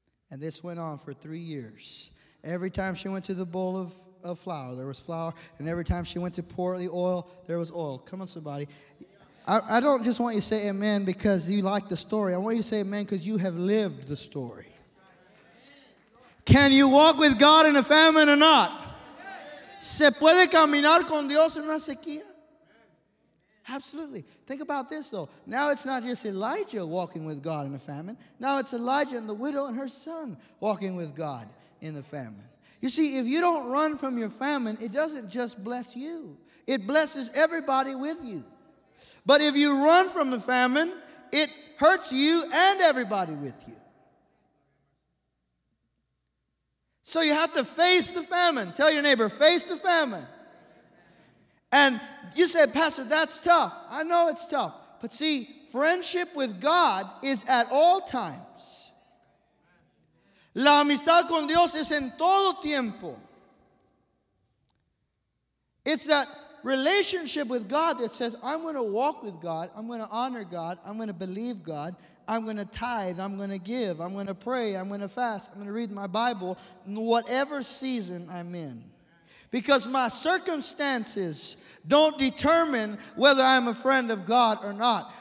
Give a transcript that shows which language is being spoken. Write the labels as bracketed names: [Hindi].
[English] And this went on for 3 years. Every time she went to the bowl of flour, there was flour, and every time she went to pour the oil, there was oil. Come on, somebody. I don't just want you to say amen because you like the story. I want you to say amen because you have lived the story. Can you walk with God in a famine or not? [Spanish] ¿Se puede caminar con Dios en una sequía? [English] Absolutely. Think about this, though. Now it's not just Elijah walking with God in a famine. Now it's Elijah and the widow and her son walking with God in the famine. You see, if you don't run from your famine, it doesn't just bless you. It blesses everybody with you. But if you run from the famine, it hurts you and everybody with you. So you have to face the famine. Tell your neighbor, face the famine. And you say, Pastor, that's tough. I know it's tough. But see, friendship with God is at all times. [Spanish] La amistad con Dios es en todo tiempo. [English] It's that relationship with God that says, I'm going to walk with God, I'm going to honor God, I'm going to believe God, I'm going to tithe, I'm going to give, I'm going to pray, I'm going to fast, I'm going to read my Bible, whatever season I'm in. Because my circumstances don't determine whether I'm a friend of God or not.